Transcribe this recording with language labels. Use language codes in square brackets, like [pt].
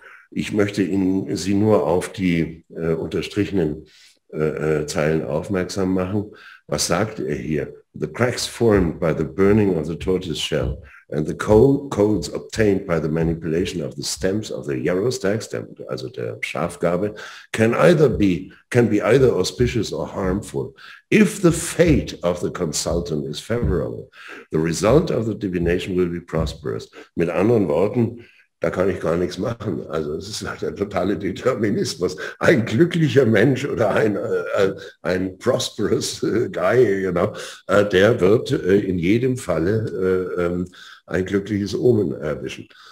[de] Ich möchte Ihnen Sie nur auf die unterstrichenen Zeilen aufmerksam machen. Was sagt er hier? [en] The cracks formed by the burning of the tortoise shell and the coals obtained by the manipulation of the stems of the yarrow stag stem, [de] also der Schafgarbe, [en] can be either auspicious or harmful. If the fate of the consultant is favorable, the result of the divination will be prosperous. [de] Mit anderen Worten, da kann ich gar nichts machen. Also es ist halt der totale Determinismus. Ein glücklicher Mensch oder ein [en] prosperous guy, you know, [de] der wird in jedem Falle ein glückliches Omen erwischen.